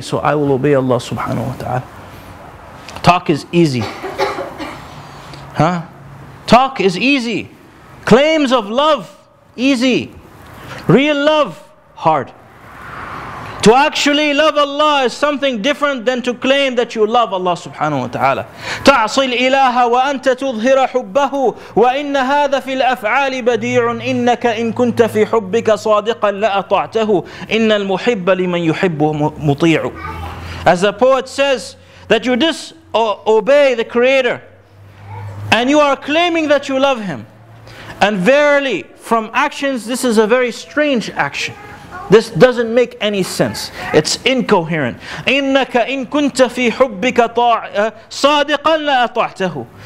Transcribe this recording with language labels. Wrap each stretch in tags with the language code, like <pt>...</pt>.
<en>So I will obey Allah subhanahu wa ta'ala. Talk is easy. Huh? Talk is easy. Claims of love, easy. Real love, hard. To actually love Allah is something different than to claim that you love Allah subhanahu wa ta'ala.</en> <ar>تعصي الإله وأنت تظهر حبه وإن هذا في الأفعال بديع إنك إن كنت في حبك صادقا لأطعته إن المحب لمن يحب مطيع.</ar> <en>As the poet says, that you disobey the Creator and you are claiming that you love Him. And verily, from actions, this is a very strange action. This doesn't make any sense. It's incoherent.</en> <ar>إِنَّكَ إِن كُنْتَ فِي حُبِّكَ صَادِقًا لَأَطَعْتَهُ.</ar>